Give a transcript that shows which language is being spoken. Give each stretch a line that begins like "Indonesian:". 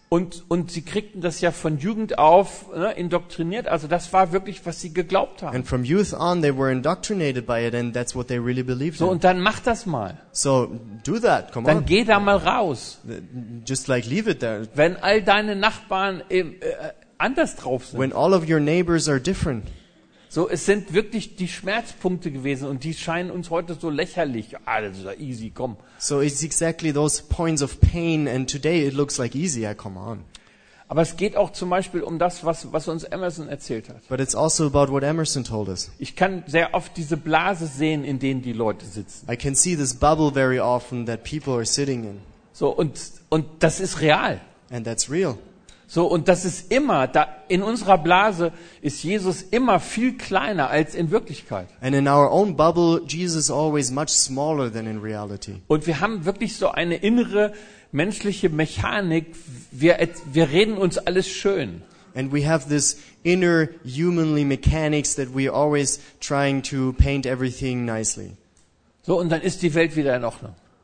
German: Und sie kriegten das ja von Jugend auf, ne, indoktriniert, also das war wirklich, was sie geglaubt haben.
English: And from youth on they were indoctrinated by it, and that's what they really believed.
German: So, und dann mach das mal.
English: So do that, come
German: dann
English: on.
German: Geh da mal raus.
English: Just like leave it there.
German: Wenn all deine Nachbarn im anders drauf sind.
English: When all of your neighbors are different.
German: So, es sind wirklich die Schmerzpunkte gewesen und die scheinen uns heute so lächerlich. Also easy, komm.
English: So it's exactly those points of pain and today it looks like easy, yeah, come on.
German: Aber es geht auch zum Beispiel um das, was uns Emerson erzählt hat.
English: But it's also about what Emerson told us.
German: Ich kann sehr oft diese Blase sehen, in denen die Leute sitzen.
English: I can see this bubble very often that people are sitting in.
German: So, und das ist real.
English: And that's real.
German: So, und das ist immer, da in unserer Blase ist Jesus immer viel kleiner als in Wirklichkeit.
English: And in our own bubble, Jesus always much smaller than in reality.
German: Und wir haben wirklich so eine innere menschliche Mechanik, wir reden uns alles schön.
English: And we have this inner humanly mechanics that we always trying to paint everything nicely.
German: So, und dann ist die Welt wieder in Ordnung.